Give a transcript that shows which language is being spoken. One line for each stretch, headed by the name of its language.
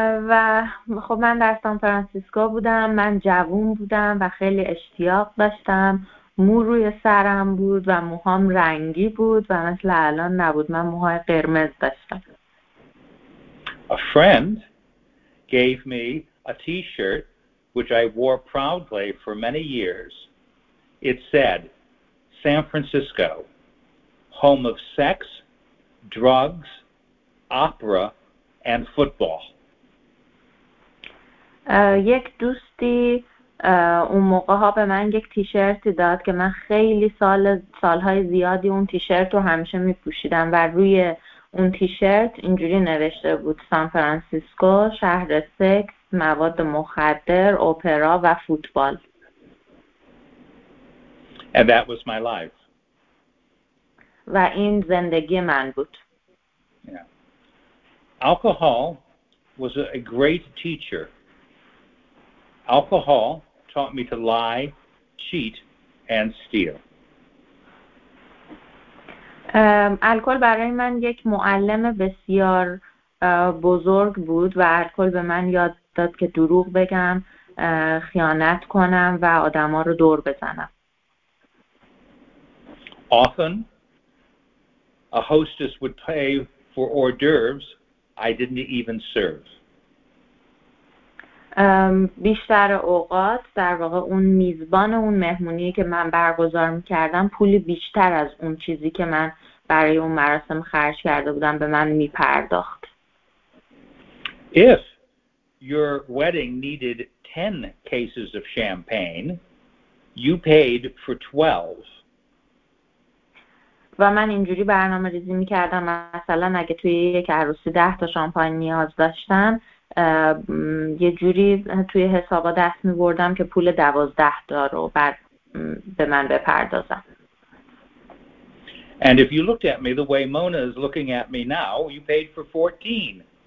Persian: و خب من در سان فرانسیسکو بودم، من جوون بودم و خیلی اشتیاق داشتم، مو روی سرم بود و موهام رنگی بود و مثل الان نبود، من موهای قرمز داشتم.
English: A friend gave me a t-shirt which I wore proudly for many years. It said San Francisco, home of sex, drugs, opera and football.
Persian: یک دوستی اون موقع ها به من یک تیشرتی داد که من خیلی سالهای زیادی اون تیشرت رو همیشه می پوشیدم و روی اون تیشرت اینجوری نوشته بود: سان فرانسیسکو، شهر سکس، مواد مخدر، اوپرا و فوتبال.
English: And that was my life.
Persian: و این زندگی من بود.
English: Yeah. Alcohol was a great teacher. Alcohol taught me to lie, cheat, and steal.
Persian: الکل برای من یک معلم بسیار بزرگ بود و الکل به من یاد داد که دروغ بگم، خیانت کنم و آدما رو دور بزنم.
English: Often a hostess would pay for hors d'oeuvres I didn't even serve.
Persian: بیشتر اوقات در واقع اون میزبان اون مهمونی که من برگزار میکردم پولی بیشتر از اون چیزی که من برای اون مراسم خرج کرده بودم به من میپرداخت.
English: If your wedding needed 10 cases of champagne, you paid for 12.
Persian: و من اینجوری برنامه ریزی میکردم، مثلا اگه توی یک عروسی 10 تا شامپاین نیاز داشتم، یه جوری توی حسابا دست می بردم که پول 12 تا رو به من بپردازم.
English: And if you looked at me the way Mona is looking at me now, you paid for 14.